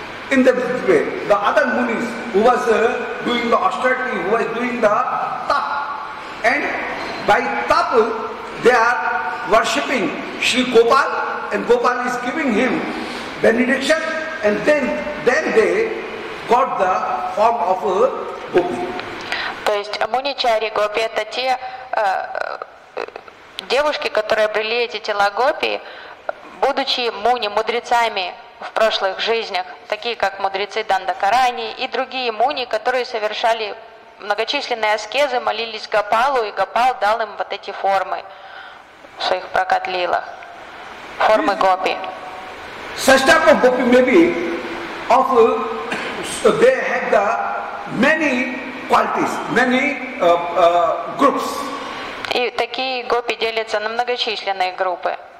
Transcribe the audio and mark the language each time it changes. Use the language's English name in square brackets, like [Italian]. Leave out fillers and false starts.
[English] In that way, the other munis who was doing the austerity, who was doing the tap, and by tap they are worshipping Sri Gopal, and Gopal is giving him benediction, and then they got the form of a gopi. [Russian] То есть муничари гопи это те девушки, которые обрели эти тела гопи, будучи муни мудрецами. В прошлых жизнях, такие как мудрецы Дандакарани и другие муни, которые совершали многочисленные аскезы, молились Гопалу, и Гопал дал им вот эти формы в своих прокатлилах, формы гопи. [English] Such type of gopi may be of, so they had the many qualities, many groups. [Russian] И такие гопи делятся на многочисленные группы.